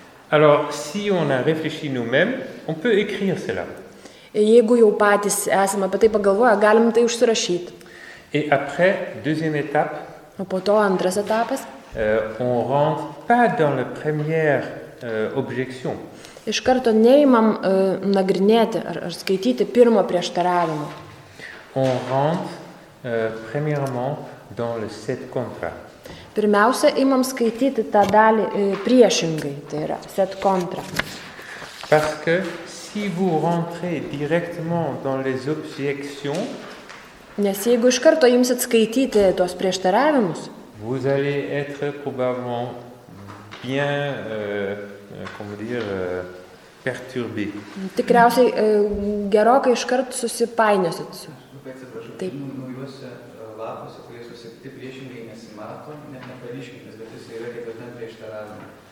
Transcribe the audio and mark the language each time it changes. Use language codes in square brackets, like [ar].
[fr] Alors, si on a réfléchi nous-mêmes, on peut écrire cela. [lt] Jeigu jau patys esame apie tai pagalvoję, galim tai užsirašyti. [fr] Et après, deuxième étape, [lt] o po to antras etapas, [fr] on rentre pas dans la première objection. [lt] Iš karto neimam nagrinėti ar skaityti pirmo prieštaravimo. [fr] On rentre premièrement dans le set contra. [lt] Pirmiausia, imam skaityti tą dalį priešingai, tai yra set contra. [fr] Parce que si vous rentrez directement dans les objections, [lt] nes jeigu iš karto imsit skaityti tuos prieštaravimus, [fr] vous allez être probablement bien, comment dire, perturbé. [lt] Tikriausiai gerokai iš karto susipainiosit. Taip. Naujuose lapuose, kurie susikti priešingai nesimato, net neparyškintas, bet jis yra ketvirtam prieštaravimui.